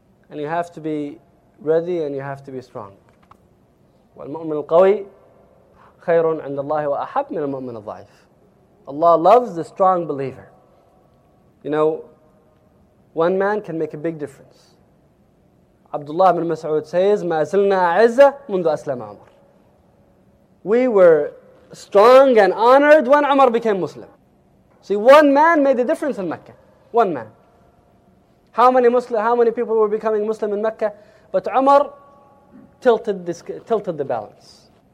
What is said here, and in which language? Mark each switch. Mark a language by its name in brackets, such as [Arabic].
[English] And you have to be ready and you have to be strong. [Arabic] وَالْمُؤْمِنُ الْقَوِي خَيْرٌ عِنْدَ اللَّهِ وَأَحَبْ مِنَ الْمُؤْمِنَ الضَّعِيفِ. [English] Allah loves the strong believer. You know, one man can make a big difference. [Arabic] Abdullah ibn Mas'ud says, مَا زِلْنَا عِزَّ مُنْدُ أَسْلَمَ عَمَرْ. [English] We were strong and honored when Umar became Muslim. See, one man made a difference in Mecca. One man. How many people were becoming Muslim in Mecca? But Umar tilted the balance.